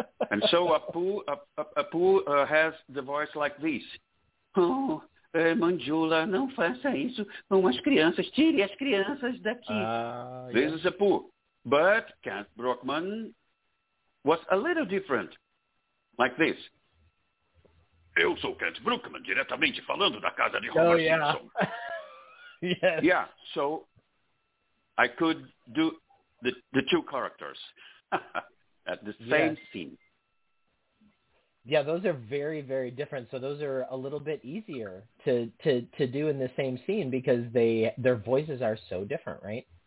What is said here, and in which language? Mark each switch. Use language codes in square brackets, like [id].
[en] And so Apu has the voice like this. [pt] Oh, Manjula, não faça isso. Com as crianças, tire as crianças daqui. [en] This is Apu. But Kent Brockman was a little different, like this. [pt] Eu sou Kent Brockman, diretamente falando da casa de Homer Simpson. [en] Yes. Yeah, so I could do the two characters at the same scene. Yeah, those are very, very different. So those are a little bit easier to do in the same scene, because their voices are so different, right?